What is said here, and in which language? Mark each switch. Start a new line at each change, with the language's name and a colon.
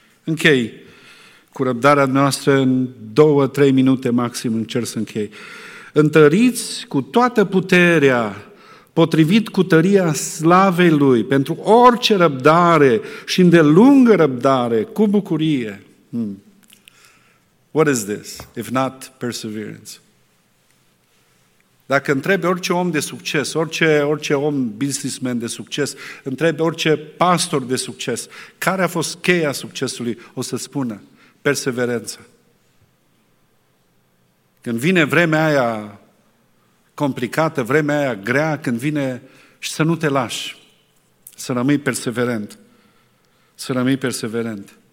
Romanian: Închei cu răbdarea noastră în 2-3 minute maxim, încerc să închei. Întăriți cu toată puterea, potrivit cu tăria slavei Lui, pentru orice răbdare și îndelungă răbdare, cu bucurie.
English: What is this, if not perseverance?
Romanian: Dacă întrebi orice om de succes, orice om businessman de succes, întrebi orice pastor de succes, care a fost cheia succesului, o să spună, perseverență. Când vine vremea aia complicată, vremea aia grea, când vine și să nu te lași, să rămâi perseverent, să rămâi perseverent.